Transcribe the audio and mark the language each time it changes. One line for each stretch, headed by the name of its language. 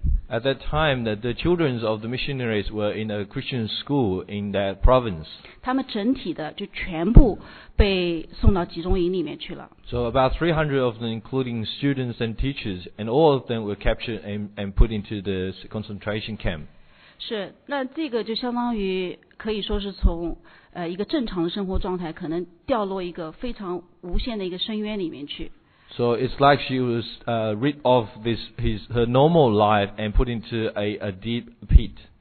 English: At that time, the children of the missionaries were in a Christian school in that province.
Chinese: 他们整体的就全部被送到集中营里面去了。
English: So about 300 of them, including students and teachers, and all of them were captured and put into the concentration camp.
Chinese: 是，那这个就相当于可以说是从一个正常的生活状态，可能掉落一个非常无限的一个深渊里面去。
English: So it's like she was rid of this her normal life and put into a deep pit.